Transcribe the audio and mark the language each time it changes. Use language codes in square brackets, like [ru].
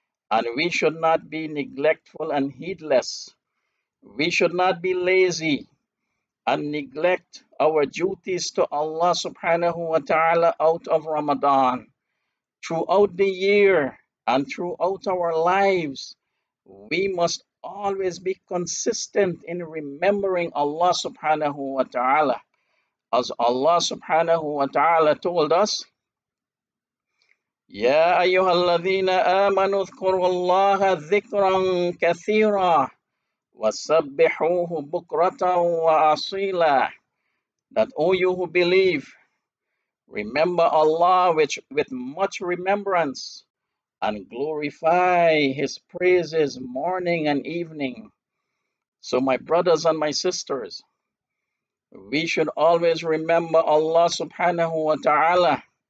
[en] And we should not be neglectful and heedless. We should not be lazy and neglect our duties to Allah subhanahu wa ta'ala out of Ramadan. Throughout the year and throughout our lives, we must always be consistent in remembering Allah subhanahu wa ta'ala. [ar] As Allah subhanahu wa ta'ala told us, يَا أَيُّهَا الَّذِينَ آمَنُوا اذْكُرُوا اللَّهَ ذِكْرًا كَثِيرًا وَسَبِّحُوهُ بُكْرَةً وَأَصِيلًا. [en] That, O you who believe, remember Allah with much remembrance and glorify His praises morning and evening. So my brothers and my sisters, we should always remember Allah subhanahu wa ta'ala.